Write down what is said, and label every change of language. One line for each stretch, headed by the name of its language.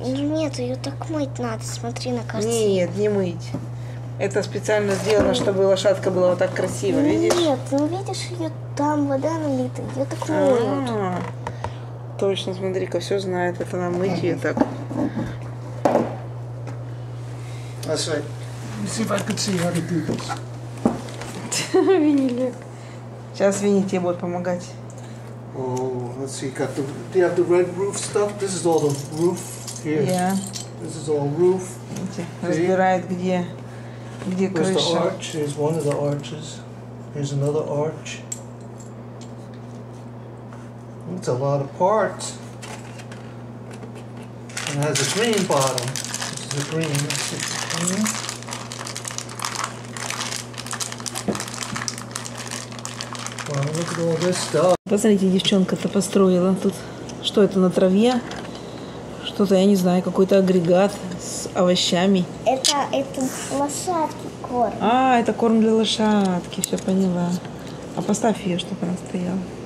Russian: Нет, ее так мыть надо, смотри на картину. Нет, не мыть. Это специально сделано, чтобы лошадка была вот так красиво, видишь? Нет, ну видишь, ее там вода налита, ее так моют. Точно, смотри-ка, все знает. Это нам мыть ее так.
English: That's right. Let's see if I could see how to do this.
Russian: Винилек. Сейчас Винни тебе будет помогать.
English: Oh, let's see. Got the, do you have the red roof stuff? This is all the roof here. Yeah. This is all roof.
Russian: Видите, разбирает, где крыша.
English: Where's the arch? Here's one of the arches. Here's another arch. It's a lot of parts. And it has a green bottom. This is a green. This is green. Wow, look at all this stuff.
Russian: Посмотрите, девчонка-то построила тут. Что это на траве? Что-то, я не знаю, какой-то агрегат с овощами. Это лошадки корм. А, это корм для лошадки, все поняла. А поставь ее, чтобы она стояла.